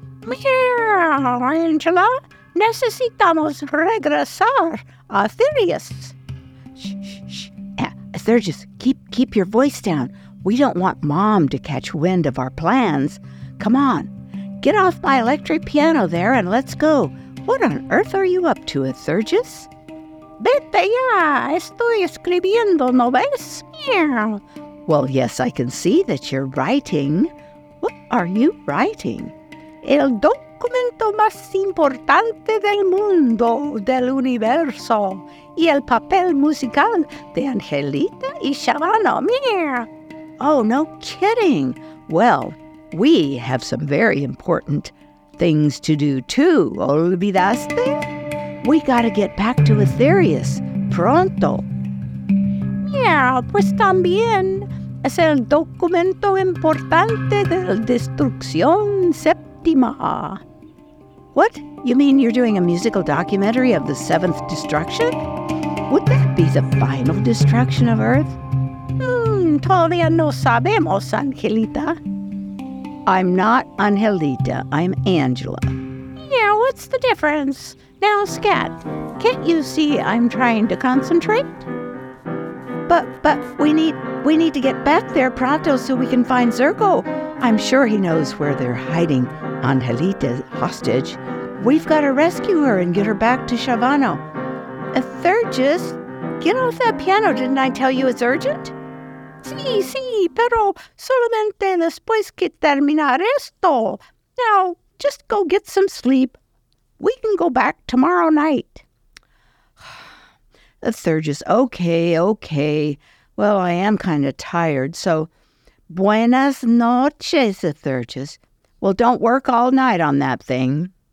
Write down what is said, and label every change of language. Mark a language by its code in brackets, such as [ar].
[es] Meow, Angela, necesitamos regresar a Athyrius. Shh, shh, shh. [en] Athyrgis, keep your voice down. We don't want Mom to catch wind of our plans. Come on, get off my electric piano there and let's go. What on earth are you up to, Athyrgis? [es] Vete ya, estoy escribiendo, ¿no ves? [en] Well, yes, I can see that you're writing. What are you writing? [es] El documento más importante del mundo, del universo. Y el papel musical de Angelita y Shabano, mira. [en] Oh, no kidding. Well, we have some very important things to do, too. [es] ¿Olvidaste? [en] We gotta get back to Athyrius. Pronto. [es] Yeah, pues también es el documento importante de la Destrucción Séptima. [en] What? You mean you're doing a musical documentary of the Seventh Destruction? Would that be the final destruction of Earth? [es] Todavía no sabemos, Angelita. [en] I'm not Angelita. I'm Angela. Yeah, what's the difference? Now, scat, can't you see I'm trying to concentrate? But we need to get back there pronto so we can find Zirko. I'm sure he knows where they're hiding Angelita hostage. We've got to rescue her and get her back to Shavano. Athyrgis, get off that piano. Didn't I tell you it's urgent? [es] Sí, pero solamente después que terminar esto. [en] Now, just go get some sleep. We can go back tomorrow night. Athyrgis, okay. Well, I am kind of tired, so [es] buenas noches, [en] Athyrgis. Well, don't work all night on that thing.